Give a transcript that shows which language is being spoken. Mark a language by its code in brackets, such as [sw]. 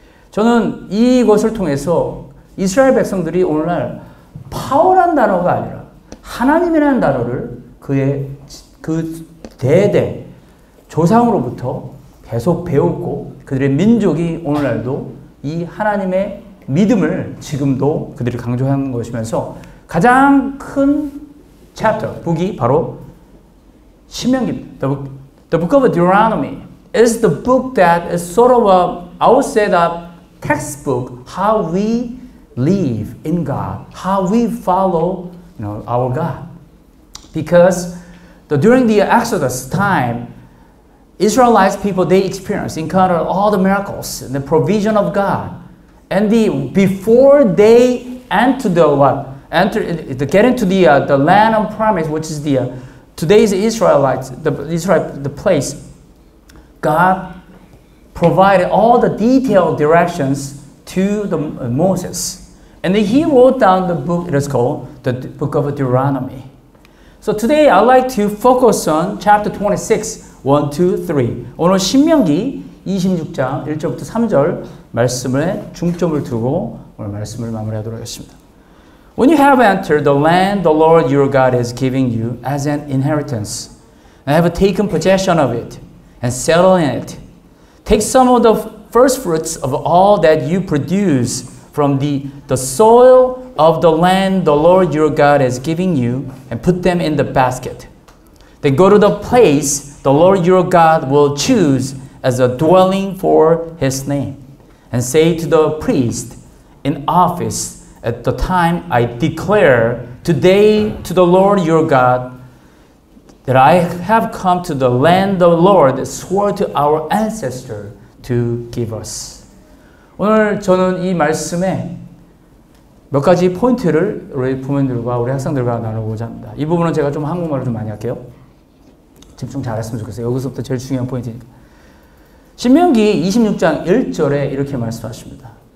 [ko] 저는 이것을 통해서 이스라엘 백성들이 오늘날 파워란 단어가 아니라 하나님이라는 단어를 그의 그 대대 조상으로부터 계속 배웠고 그들의 민족이 오늘날도 이 하나님의 믿음을 지금도 그들이 강조하는 것이면서 가장 큰 챕터 북이 바로 신명기입니다. [en] The book of Deuteronomy is the book that is sort of a, I would say a textbook how we live in God, how we follow you know, our God. Because during the Exodus time, Israelite people, they experienced, encountered all the miracles and the provision of God. And the, before they get into the land of promise, which is the today's Israelites, the place, God provided all the detailed directions to the Moses. And then he wrote down the book, it is called the Book of Deuteronomy. So today I'd like to focus on chapter 26, 1, 2, 3. [ko] 오늘 신명기 26장 1절부터 3절 말씀에 중점을 두고 오늘 말씀을 마무리하도록 하겠습니다. [en] When you have entered the land the Lord your God is giving you as an inheritance, and have taken possession of it and settled in it, take some of the first fruits of all that you produce from the soil of the land the Lord your God is giving you and put them in the basket. Then go to the place the Lord your God will choose as a dwelling for his name and say to the priest in office at the time I declare today to the Lord your God that I have come to the land the Lord swore to our ancestor to give us. [ko] 오늘 저는 이 말씀에 몇 가지 포인트를 우리 부모님들과 우리 학생들과 나누고자 합니다. 이 부분은 제가 좀 한국말을 좀 많이 할게요. 집중 잘했으면 좋겠어요. 여기서부터 제일 중요한 포인트니까. 신명기 26장 1절에 이렇게 말씀하십니다.